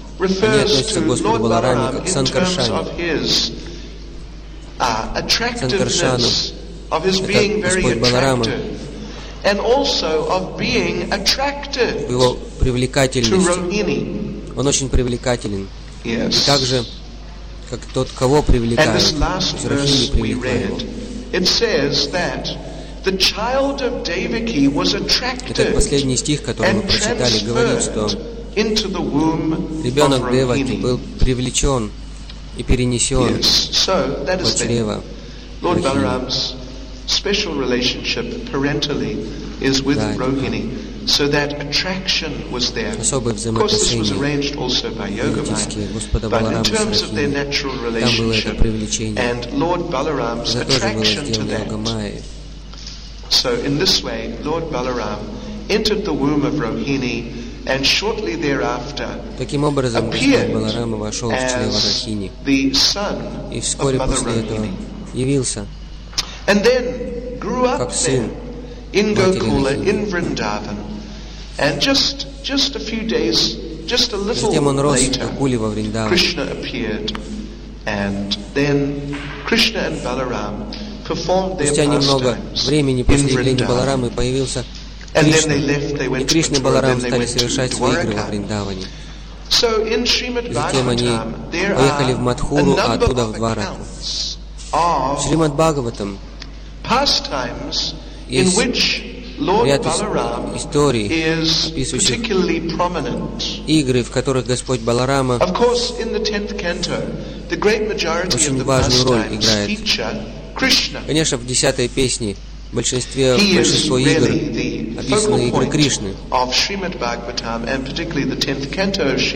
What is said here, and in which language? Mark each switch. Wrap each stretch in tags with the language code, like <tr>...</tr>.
<en>refers to Lord Balaram in terms of his attractiveness, of his being very attractive, and also of being attracted to Rohini.</en> <ru>Его привлекательность. Он очень привлекателен.</ru> <en>Yes.</en> <ru>И также как тот, кого привлекает.</ru> <en>And this last verse we read, it says that the child of Devaki was attracted.</en> <ru>Этот последний стих, который мы прочитали, говорит, что ребенок Деваки был привлечен и перенесен в чрево Рохини.</ru> <en>So that attraction was there.</en> <ru>Особое взаимоотношение.</ru> <en>Of course, this was arranged also by Yogamaya. But in terms of their natural relationship, and Lord Balaram's attraction to that. So in this way, Lord Balaram entered the womb of Rohini, and shortly thereafter appeared as the son of Mother Rohini. And then grew up there in Gokula, in Vrindavan. And just a few days, just a little later, Krishna appeared, and then Krishna and Balaram performed their pastimes.</en> <ru>Спустя немного времени после явления Баларамы появился Кришна, и Кришна и Баларам стали совершать свои игры во Вриндаване.</ru> <en>So in Srimad Bhagavatam, there are a number of accounts of Srimad Bhagavatam pastimes in which Lord Balaram is particularly prominent.</en> <ru>Игры, в которых Господь Баларама.</ru> <en>Of course, in the 10th canto, the great majority of the pastimes feature Krishna.</en> <ru>Конечно, в 10-й песне большинство игр описаны игры Кришны.</ru> <en>Of Srimad Bhagavatam and particularly the 10th canto of Srimad</en>